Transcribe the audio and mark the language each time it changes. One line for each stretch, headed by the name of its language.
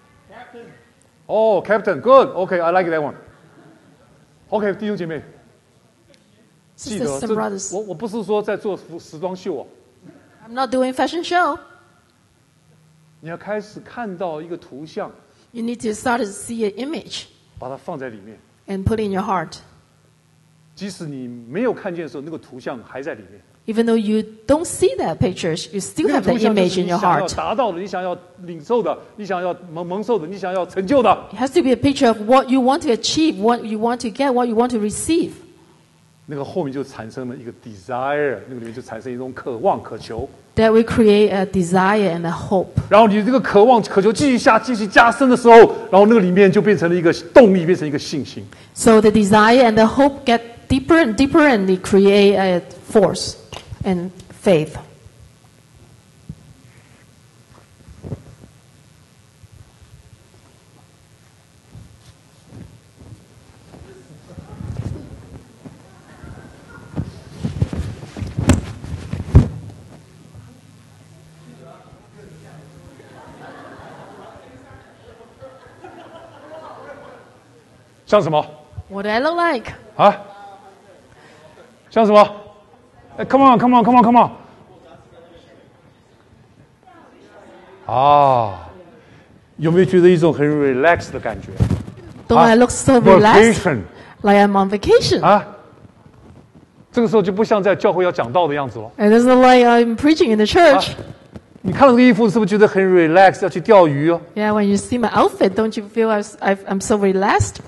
English: Captain. Oh, captain. Good. OK, I like that one. OK,
Chinese: 弟兄姐妹，记得
English: some brothers.
Chinese: 我不是说在做时装秀啊。
English: I'm not doing fashion show.
Chinese: 你要开始看到一个图像。
English: You need to start to see an image.
Chinese: 把它放在里面。
English: And put in your heart.
Chinese: 即使你没有看见的时候，那个图像还在里面。
English: Even though you don't see that pictures, you still have the image in your heart.
Chinese: 你想要达到的，你想要领受的，你想要蒙受的，你想要成就的。
English: It has to be a picture of what you want to achieve, what you want to get, what you want to receive.
Chinese: 那个后面就产生了一个 desire, 那个里面就产生一种渴望、渴求。
English: That will create a desire and a hope.
Chinese: 然后你这个渴望、渴求继续下、继续加深的时候，然后那个里面就变成了一个动力，变成一个信心。
English: So the desire and the hope get. Deeper and deeper, and they create a force and faith.
Chinese: 像什么？
English: What do I look like?
Chinese: 啊？像什么？
English: Come on, come on, come on, come on.
Chinese: 啊，有没有觉得一种很 relaxed 的感觉？
English: Don't I look so relaxed? Vacation. Like I'm on vacation.
Chinese: 啊，这个时候就不像在教会要讲道的样子了。
English: It doesn't like I'm preaching in the church.
Chinese: 啊，你看到这个衣服是不是觉得很 relaxed 要去钓鱼哦？
English: Yeah, when you see my outfit, don't you feel I'm so relaxed?